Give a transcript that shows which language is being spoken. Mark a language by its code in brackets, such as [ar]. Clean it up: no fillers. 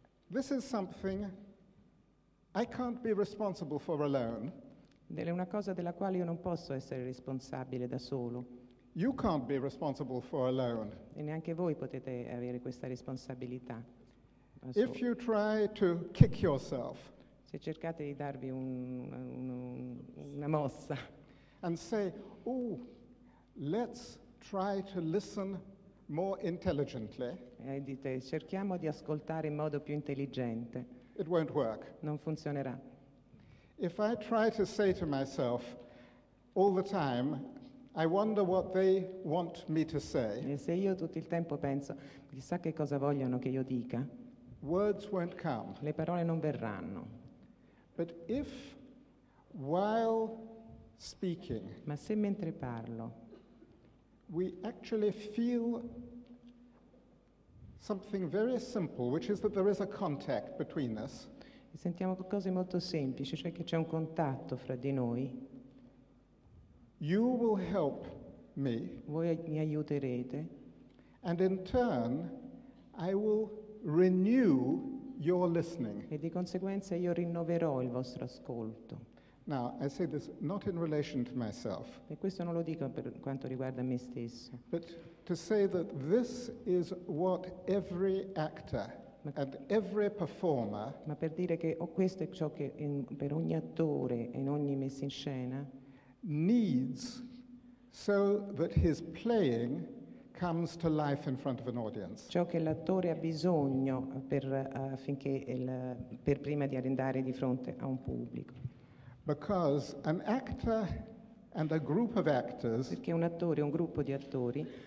[en] This is something I can't be responsible for alone. [it] È una cosa della quale io non posso essere responsabile da solo. [en] You can't be responsible for alone. [it] E neanche voi potete avere questa responsabilità. [en] If you try to kick yourself. [it] Se cercate di darvi una mossa. [en] And say, oh, let's try to listen more intelligently. [it] E dite, cerchiamo di ascoltare in modo più intelligente. [en] It won't work. [it] Non funzionerà. [en] If I try to say to myself all the time, I wonder what they want me to say. [it] E se io tutto il tempo penso, chissà che cosa vogliono che io dica. [en] Words won't come. [it] Le parole non verranno. [en] But if, while speaking, [it] ma se mentre parlo, [en] we actually feel something very simple, which is that there is a contact between us. [it] Sentiamo cose molto semplici, cioè che c'è un contatto fra di noi. [en] You will help me. [it] Voi mi aiuterete. [en] And in turn, I will renew your listening. [it] E di conseguenza io rinnoverò il vostro ascolto. [en] Now, I say this not in relation to myself. [it] E questo non lo dico per quanto riguarda me stesso. [en] But to say that this is what every actor and every performer. [it] Ma per dire che questo è ciò che per ogni attore e in ogni messa in scena [en] needs, so that his playing comes to life in front of an audience. [it] Ciò che l'attore ha bisogno per prima di andare di fronte a un pubblico. [en] Because an actor and a group of actors. [it] Perché un attore e un gruppo di attori